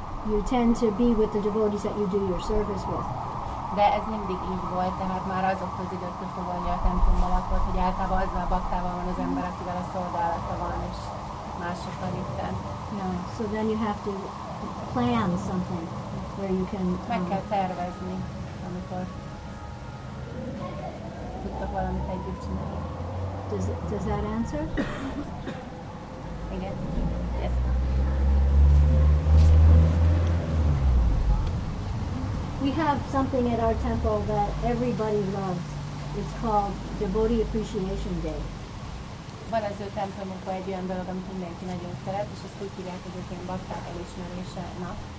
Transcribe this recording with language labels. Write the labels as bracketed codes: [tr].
[en] You tend to be with the devotees that you do your service with. [hu] De ez mindig így volt, tehát már azoktól az időtől fogva, hogy a templomban lakott, hogy általában azzal a baktával van az ember, akivel a szolgálata van, és mások van itt. [en] Yeah. So then you have to plan something where you can. [hu] Meg kell tervezni, amikor tudtok valamit együtt csinálni. [en] Does that answer? [hu] Igen. [en] Yes. We have something at our temple that everybody loves. It's called Devotee Appreciation Day. [hu] Van az ő templomokban egy olyan dolog, amit mindenki nagyon szeret, és ezt úgy hívják, hogy az ilyen bakták elismerése nap.